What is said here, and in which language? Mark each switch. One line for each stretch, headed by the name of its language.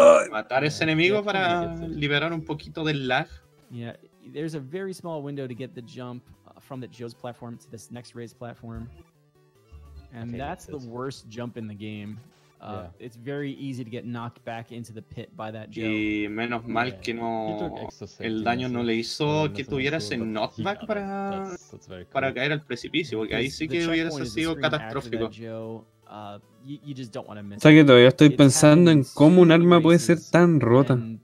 Spanish: Matar ese enemigo para liberar un poquito del lag.
English: Yeah, there's a very small window to get the jump from the Joe's platform to this next raised platform. And okay, that's the worst jump in the game. Yeah. It's very easy to get knocked back into the pit by that jump.
Spanish: Y menos mal que no el daño no le hizo que tuviera ese knockback para para caer al precipicio, porque ahí sí que hubiera sido catastrófico.
English: You just don't want to miss.
Spanish: O sea que todavía estoy pensando en cómo un arma puede ser tan rota.